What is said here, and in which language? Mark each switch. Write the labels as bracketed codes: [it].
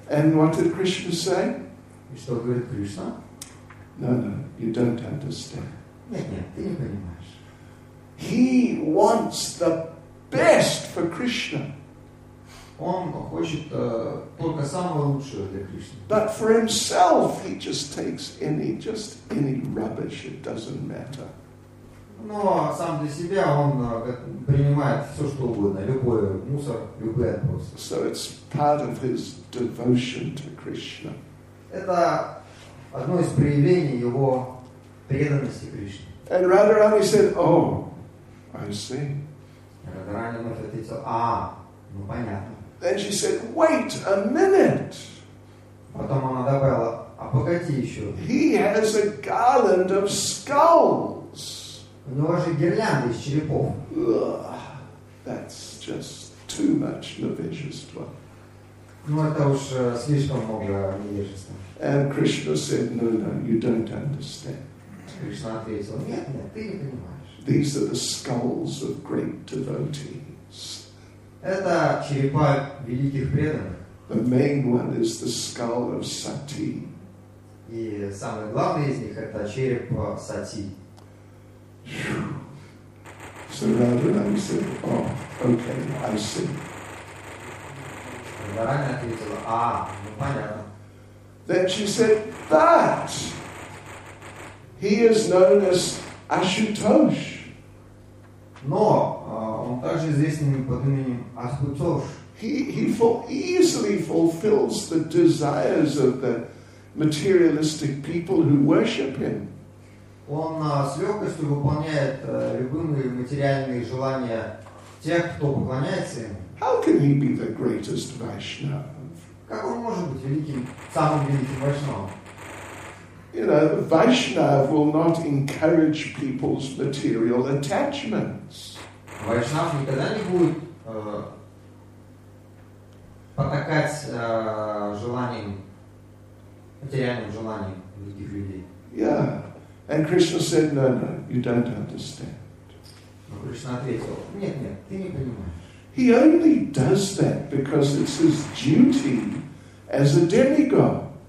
[en] And what did Krishna say? [ru] И что говорит Кришна? [en] No, you don't understand. [ru] Нет, ты не понимаешь. [en] He wants the best for Krishna. [ru] Он хочет только самого лучшего для Кришны. [en] But for himself, he just takes any rubbish. It doesn't matter. [ru] Но сам для себя он принимает все, что угодно, любой мусор, любые отбросы. [en] So it's part of his devotion to Krishna. [ru] Это одно из проявлений его преданности Кришне. [en] And Radharani said, "Oh, I see." [ru] Радхарани может ответить: "А, ну понятно." [en] Then she said, "Wait a minute." [ru] Потом она добавила: "А погоди еще." [en] He has a garland of skulls. [ru] У него же гирлянда из черепов. [en] That's just too much [ru] невежество. Ну это уж слишком много невежества. [en] And Krishna said, "No, you don't understand." [ru] Кришна ответил: "Нет, нет, ты не понимаешь." [en] These are the skulls of great devotees. [ru] Это черепа великих преданных. [en] The main one is the skull of Sati. [ru] И самый главный из них это череп Сати. [en] So Радхарани said, "Oh, okay, I see." [ru] Радхарани ответила: "А, ну понятно." [en] Then she said, "But he is known as Ashutosh." [ru] Но он также известен под именем Ашутош. [en] He easily fulfills the desires of the materialistic people who worship him. [ru] Он с легкостью выполняет любые материальные желания тех, кто поклоняется ему. [en] How can he be the greatest Vaishnava? [ru] Как он может быть великим, самым великим Вайшнавом? [en] You know, Vaishnav will not encourage people's material attachments. [ru] Вайшнав никогда не будет потакать желанием, материальным желанием других людей. [en] Yeah. And Krishna said, no, you don't understand. [ru] Но Кришна ответил: нет, нет, ты не понимаешь. [en] He only does that because it's his duty as a demigod.